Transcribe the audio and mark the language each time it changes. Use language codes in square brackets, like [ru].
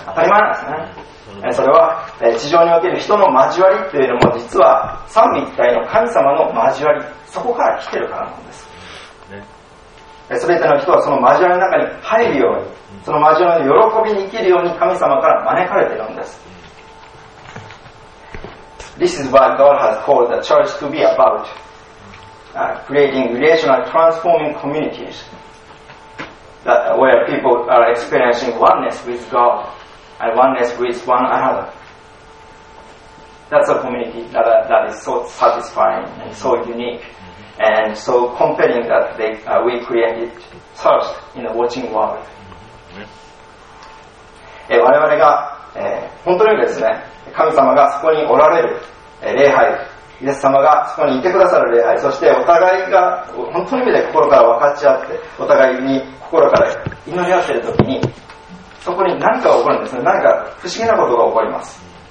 [ja] 当たり前なんですね。それは地上における人の交わりというのも、実は三位一体の神様の交わり、そこから来ているからなんです。全ての人はその交わりの中に入るように、その交わりの喜びに生きるように神様から招かれているんです。 [en] This is what God has called the church to be about、creating relational transforming communities that, where people are experiencing oneness with GodI oneness with one another. That's a community that is so satisfying and so unique and so compelling that we created thirst in the watching world. [ja] 我々が、本当にですね、神様がそこにおられる、礼拝、イエス様がそこにいてくださる礼拝、そしてお互いが本当の意味で心から分かち合って、お互いに心から祈り合っているときに、そこに何かが起こるんですね。何か不思議なことが起こります。